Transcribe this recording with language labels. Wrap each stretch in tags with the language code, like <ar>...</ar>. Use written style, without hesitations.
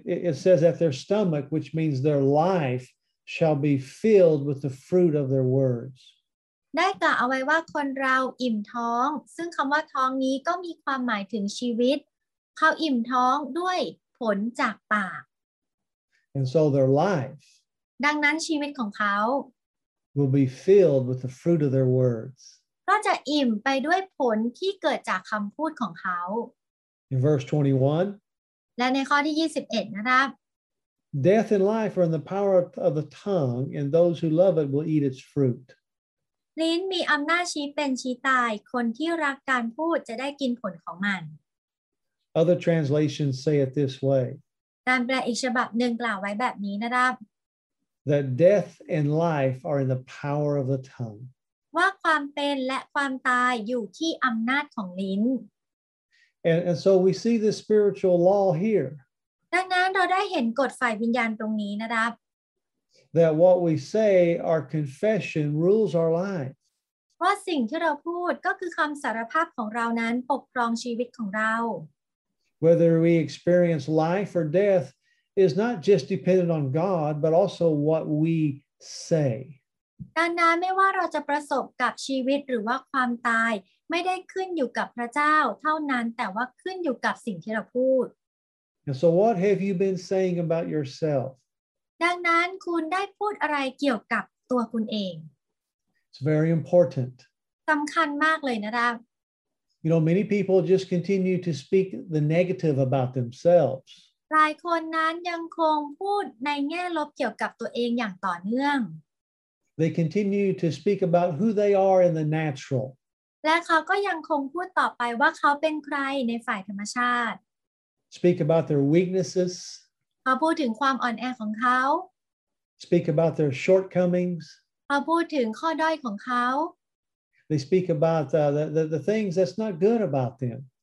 <en>It says that their stomach, which means their life, shall be filled with the fruit of their words.</en> <th>ได้กล่าวเอาไว้ว่าคนเราอิ่มท้องซึ่งคำว่าท้องนี้ก็มีความหมายถึงชีวิตเขาอิ่มท้องด้วยผลจากปาก</th> <en>And so their life.</en> <th>ดังนั้นชีวิตของเขา</th> <en>Will be filled with the fruit of their words.</en> <th>ก็จะอิ่มไปด้วยผลที่เกิดจากคำพูดของเขา</th> <en>In verse 21.</en> <th>และในข้อที่21นะครับ</th> <en>Death and life are in the power of the tongue, and those who love it will eat its fruit.</en> <th>ลิ้นมีอำนาจชี้เป็นชี้ตายคนที่รักการพูดจะได้กินผลของมัน</th> <en>Other translations say it this way.</en> <th>การแปลอีกฉบับหนึ่งกล่าวไว้แบบนี้นะครับ</th> <en>That death and life are in the power of the tongue.</en> <th>ว่าความเป็นและความตายอยู่ที่อำนาจของลิ้น</th> <en>And so we see this spiritual law here.</en> <th>ดังนั้นเราได้เห็นกฎฝ่ายวิญญาณตรงนี้นะครับ</th> <en>That what we say, our confession rules our lives.</en> <th>ว่าสิ่งที่เราพูดก็คือคำสารภาพของเรานั้นปกครองชีวิตของเรา</th> <en>Whether we experience life or death. Is not just dependent on God, but also what we say.</en> <th>ดังนั้นไม่ว่าเราจะประสบกับชีวิตหรือว่าความตายไม่ได้ขึ้นอยู่กับพระเจ้าเท่านั้นแต่ว่าขึ้นอยู่กับสิ่งที่เราพูด</th> <en>And so what have you been saying about yourself?</en> <th>ดังนั้นคุณได้พูดอะไรเกี่ยวกับตัวคุณเอง</th> <en>It's very important.</en> <th>สำคัญมากเลยนะครับ</th> <en>You know, many people just continue to speak the negative about themselves.</en> <th>หลายคนนั้นยังคงพูดในแง่ลบเกี่ยวกับตัวเองอย่างต่อเนื่อง</th> <en>They continue to speak about who they are in the natural</en> <th>และเขาก็ยังคงพูดต่อไปว่าเขาเป็นใครในฝ่ายธรรมชาติ</th> <en>Speak about their weaknesses</en> <th>เขาพูดถึงความอ่อนแอของเขา</th> <en>Speak about their shortcomings</en> <th>เขาพูดถึงข้อด้อยของเขา</th> <en>They speak about the things that's not good about them</en>